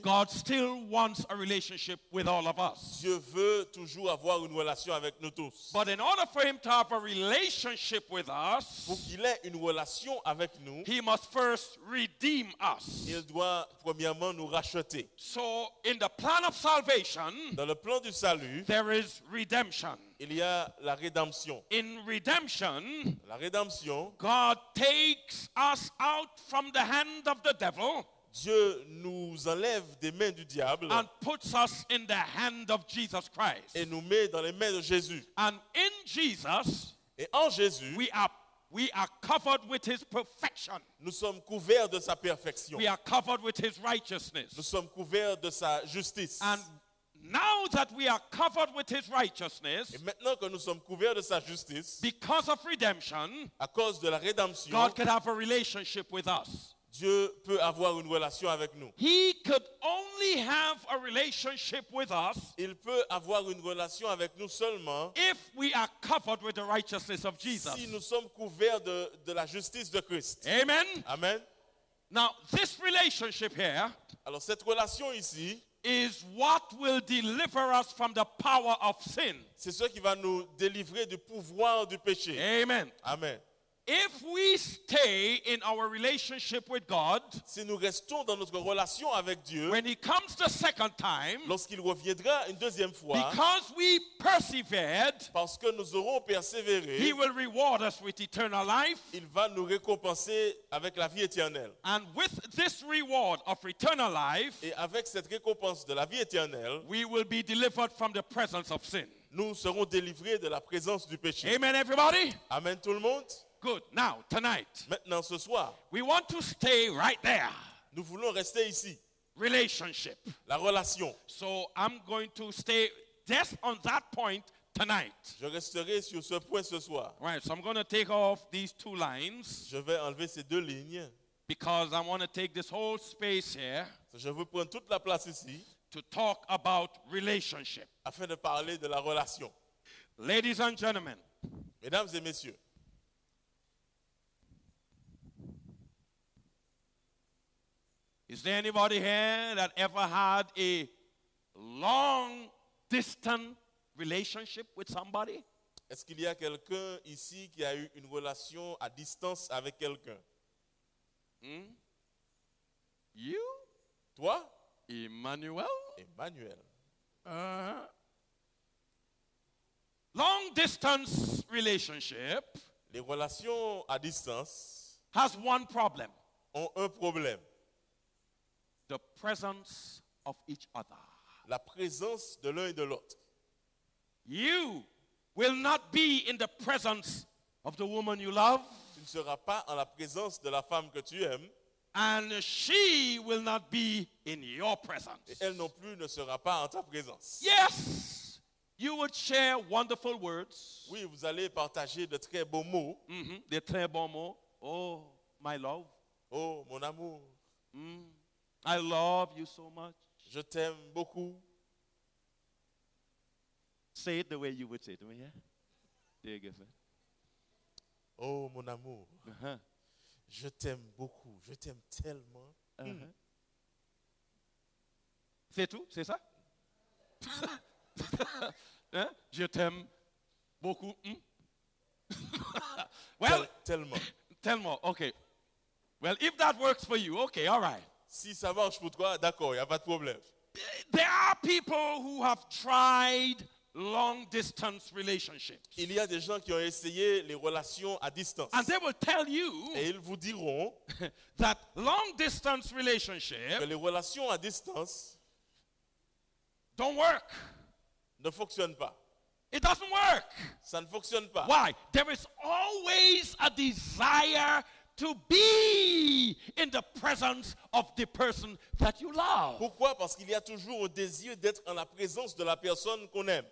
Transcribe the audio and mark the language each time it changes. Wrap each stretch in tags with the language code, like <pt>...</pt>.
<en>God still wants a relationship with all of us.</en> <fr>Dieu veut toujours avoir une relation avec nous tous.</fr> <en>But in order for him to have a relationship with us,</en> <fr>pour qu'il ait une relation avec nous,</fr> <en>he must first redeem us.</en> <fr>Il doit premièrement nous racheter.</fr> <en>So in the plan of salvation,</en> <fr>dans le plan du salut,</fr> <en>there is redemption.</en> <fr>Il y a la rédemption.</fr> <en>In redemption,</en> <fr>la rédemption,</fr> <en>God takes us out from the hand of the devil.</en> <fr>Dieu nous enlève des mains du diable.</fr> <en>And puts us in the hand of Jesus Christ.</en> <fr>Et nous met dans les mains de Jésus.</fr> <en>And in Jesus,</en> <fr>et en Jésus,</fr> <en>we are covered with his perfection.</en> <fr>Nous sommes couverts de sa perfection.</fr> <en>We are covered with his righteousness.</en> <fr>Nous sommes couverts de sa justice.</fr> <en>And now that we are covered with his righteousness,</en> <fr>et maintenant que nous sommes couverts de sa justice,</fr> <en>because of redemption,</en> <fr>à cause de la rédemption,</fr> <en>God can have a relationship with us.</en> <fr>Dieu peut avoir une relation avec nous.</fr> <en>He could only have a relationship with us.</en> <fr>Il peut avoir une relation avec nous seulement</fr> <en>if we are covered with the righteousness of Jesus.</en> <fr>Si nous sommes couverts de la justice de Christ.</fr> <en>Amen.</en> <fr>Amen.</fr> <en>Now this relationship here.</en> <fr>Alors cette relation ici</fr> <en>is what will deliver us from the power of sin.</en> <fr>C'est ce qui va nous délivrer du pouvoir du péché.</fr> <en>Amen.</en> <fr>Amen.</fr> <en>If we stay in our relationship with God,</en> <fr>si nous restons dans notre relation avec Dieu,</fr> <en>when he comes the second time,</en> <fr>lorsqu'il reviendra une deuxième fois,</fr> <en>because we persevered,</en> <fr>parce que nous aurons persévéré,</fr> <en>he will reward us with eternal life.</en> <fr>Il va nous récompenser avec la vie éternelle.</fr> <en>And with this reward of eternal life,</en> <fr>et avec cette récompense de la vie éternelle,</fr> <en>we will be delivered from the presence of sin.</en> <fr>Nous serons délivrés de la présence du péché.</fr> <en>Amen, everybody.</en> <fr>Amen, tout le monde.</fr> <en>Good. Now, tonight.</en> <fr>Maintenant, ce soir.</fr> <en>We want to stay right there.</en> <fr>Nous voulons rester ici.</fr> <en>Relationship.</en> <fr>La relation.</fr> <en>So I'm going to stay just on that point tonight.</en> <fr>Je resterai sur ce point ce soir.</fr> <en>Right. So I'm going to take off these two lines.</en> <fr>Je vais enlever ces deux lignes.</fr> <en>Because I want to take this whole space here.</en> <fr>Je veux prendre toute la place ici.</fr> <en>To talk about relationship.</en> <fr>Afin de parler de la relation.</fr> <en>Ladies and gentlemen.</en> <fr>Mesdames et messieurs.</fr> <en>Is there anybody here that ever had a long distant relationship with somebody?</en> <fr>Est-ce qu'il y a quelqu'un ici qui a eu une relation à distance avec quelqu'un?</fr> <en>You?</en> <fr>Toi? Emmanuel? Emmanuel.</fr> <en>Long distance relationship.</en> <fr>Les relations à distance</fr> <en>has one problem.</en> <fr>Ont un problème.</fr> <en>The presence of each other.</en> <fr>La présence de l'un et de l'autre.</fr> <en>You will not be in the presence of the woman you love.</en> <fr>Tu ne seras pas en la présence de la femme que tu aimes.</fr> <en>And she will not be in your presence.</en> <fr>Et elle non plus ne sera pas en ta présence.</fr> <en>Yes, you would share wonderful words.</en> <fr>Oui, vous allez partager de très beaux mots. Mm-hmm. De très bons mots.</fr> <en>Oh, my love.</en> <fr>Oh, mon amour.</fr> <en>I love you so much.</en> <fr>Je t'aime beaucoup.</fr> <en>Say it the way you would say it to me, yeah? There you go, sir.</en> <fr>Oh, mon amour. Je t'aime beaucoup. Je t'aime tellement. C'est tout? C'est ça? Je t'aime beaucoup.</fr> <en>Well,</en> <fr>tellement. Tellement, okay.</fr> <en>Well, if that works for you, okay, all right.</en> <fr>Si ça marche pour toi, d'accord, il n'y a pas de problème.</fr> <en>There are people who have tried long distance relationships.</en> <fr>Il y a des gens qui ont essayé les relations à distance.</fr> <en>And they will tell you</en> <fr>et ils vous diront</fr> <en>that long distance relationship</en> <fr>que les relations à distance</fr> <en>don't work.</en> <fr>Ne fonctionnent pas.</fr> <en>It doesn't work.</en> <fr>Ça ne fonctionne pas.</fr> <en>Why? There is always a desire to be in the presence of the person that you love.</en> <fr>Pourquoi? Parce qu'il y a toujours un désir d'être en la présence de la personne qu'on aime.</fr>